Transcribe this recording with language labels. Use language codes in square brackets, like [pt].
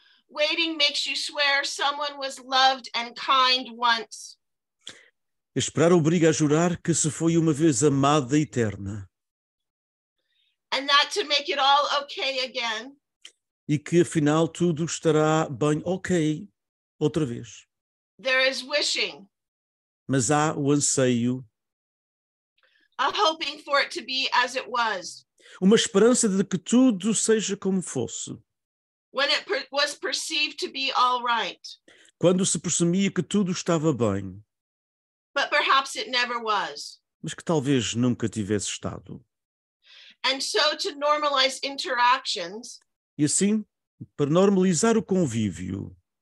[en] Waiting makes you swear someone was loved and kind once. [pt] Esperar obriga a jurar que se foi uma vez amada eterna. [en] And that to make it all okay again. [pt] E que afinal tudo estará bem ok outra vez. [en] There is wishing. [pt] Mas há o anseio. [en] A hoping for it to be as it was. [pt] Uma esperança de que tudo seja como fosse. [en] When it was perceived to be all right. [pt] Quando se presumia que tudo estava bem. [en] But perhaps it never was. [pt] Mas que talvez nunca tivesse estado. [en] And so to normalize interactions. [pt] E assim, para normalizar o convívio.